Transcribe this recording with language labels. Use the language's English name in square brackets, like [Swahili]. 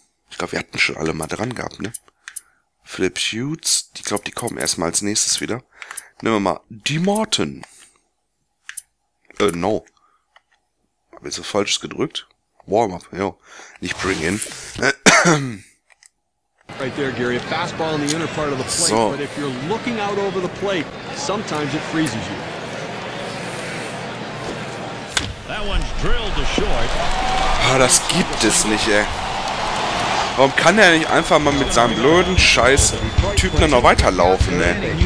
[German] Ich glaube, wir hatten schon alle mal dran gehabt, ne? Flip Hughes, ich glaube, die kommen erstmal als nächstes wieder. Nehmen wir mal die Morton. No. Hab jetzt was Falsches gedrückt. Warm-up, jo. Nicht bring in. [English] Right there, Gary. A fastball in the inner part of the plate. So. But if you're looking out over the plate, sometimes it freezes you. That one's drilled to short. [German] Ah, das gibt es nicht, ey. Warum kann er nicht einfach mal mit seinem blöden Scheiß-Typen dann noch weiterlaufen, ne?